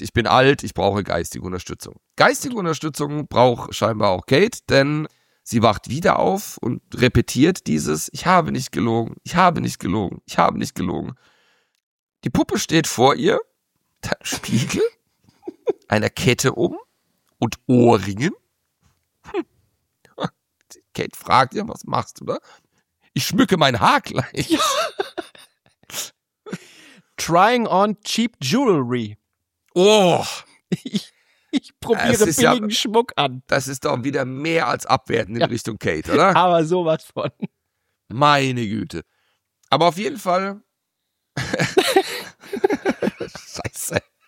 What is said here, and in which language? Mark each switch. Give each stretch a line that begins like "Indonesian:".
German: Ich bin alt, ich brauche geistige Unterstützung. Geistige Unterstützung braucht scheinbar auch Kate, denn sie wacht wieder auf und repetiert dieses, ich habe nicht gelogen, ich habe nicht gelogen, ich habe nicht gelogen. Die Puppe steht vor ihr, der Spiegel, einer Kette um und Ohrringen. Kate fragt ihr, was machst du da? Ich schmücke mein Haar gleich. Ja.
English: Trying on cheap jewelry. Oh.
German: Ich probiere billigen Schmuck an. Das ist doch wieder mehr als abwertend in Richtung Kate, oder? Aber sowas von. Meine Güte. Aber auf jeden Fall. Scheiße.